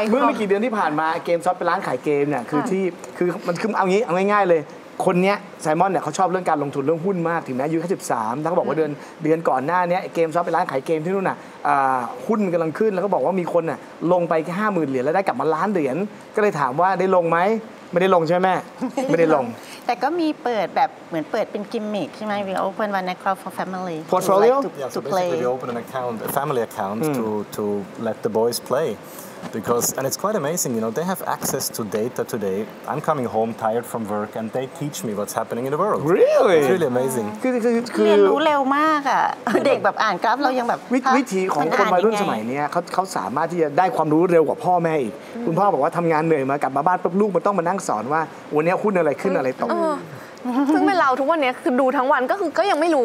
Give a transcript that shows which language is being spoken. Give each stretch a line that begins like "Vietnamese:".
Thai: เมื่อไม่กี่เดือนที่ผ่านมา GameStop เป็นร้านขายเกมเนี่ยคือที่คือมันคือเอางี้เอาง่ายๆเลยคนนี้ไซมอนเนี่ยเขาชอบเรื่องการลงทุนเรื่องหุ้นมากถึงแม้อายุแค่13แล้วก็บอกว่าเดือนก่อนหน้านี้เกมซอฟต์ไปร้านขายเกมที่นู่นน่ะหุ้นกำลังขึ้นแล้วก็บอกว่ามีคนน่ะลงไปแค่ 50,000 เหรียญแล้วได้กลับมาล้านเหรียญก็เลยถามว่าได้ลงไหมไม่ได้ลงใช่ไหมแม่ไม่ได้ลง แต่ก็มีเปิดแบบเหมือนเปิดเป็นกิมมิคใช่ไหม
English: we open one account for family
Thai: portfolio
English: to play we open an account a family account to let the boys playBecause, and it's quite amazing, you know, they have access to data today. I'm coming home tired from work and they teach me what's happening in the world. Really? It's really amazing.
Thai: เรียนรู้เร็วมากอ่ะเด็กแบบอ่านกราฟเรายังแบบ วิธีของคนวัยรุ่นสมัยนี้เขาสามารถที่จะได้ความรู้เร็วกว่าพ่อแม่อีกคุณพ่อบอกว่าทำงานเหนื่อยมากลับมาบ้านปุ๊บลูกมันต้องมานั่งสอนว่าวันนี้หุ้นอะไรขึ้นอะไรตก ซึ่งเป็นเราทุกวันนี้คือดูทั้งวันก็ยังไม่รู